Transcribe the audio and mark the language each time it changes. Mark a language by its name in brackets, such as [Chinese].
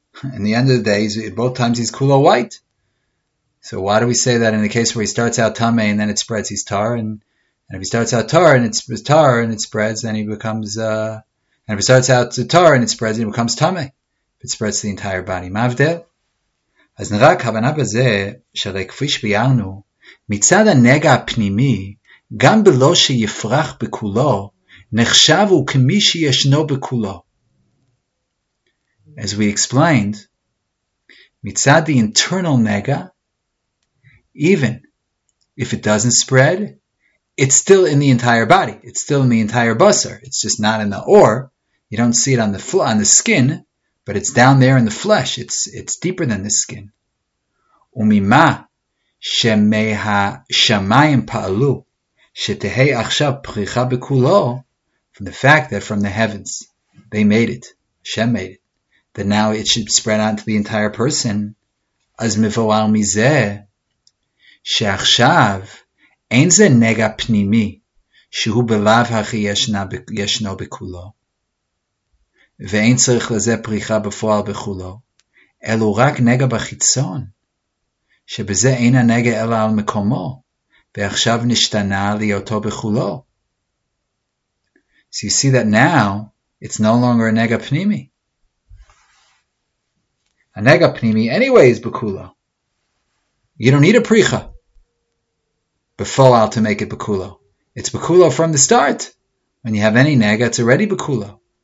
[English] In the end of the day, both times he's kulo white. So why do we say that in the case where he starts out tame and then it spreads, he's tar, and if he starts out tar and it's tar and it spreads, then he becomes and if he starts out to tar and it spreads, he becomes tame. If it spreads to the entire body, mavdel. [Hebrew] אז נראה הכוונה בזה שלכפי שביארנו, מצד הנגע הפנימי, גם בלא שיפרח בכולו, נחשב הוא כמי שישנו בכולו. [English] As we explained, מצד the internal nega, even if it doesn't spread, it's still in the entire body, it's still in the entire basar, it's just not in the or, you don't see it on the skin, but it's down there in the flesh, it's deeper than the skin. [Hebrew] ומימא שמה שמים פעלו שתהי עכשיו פריחה בכולו, [English] from the fact that from the heavens they made it, Shem made it, that now it should spread out to the entire person, [Hebrew] אז מבואר מזה שעכשיו אין זה נגע פנימי שהוא בלב הכי ישנו בכולו, ואין צריך לזה פריחה בפועל בכולו, אלו רק נגע בחיצון. שבזה אין הנגע אלא על מקומו, ועכשיו נשתנה להיותו בכולו. [English] So you see that now it's no longer a nega pnimi. A nega pnimi anyway is bakula. You don't need a pricha befoal to make it bakula. It's bakula from the start. When you have any nega, it's already bakula.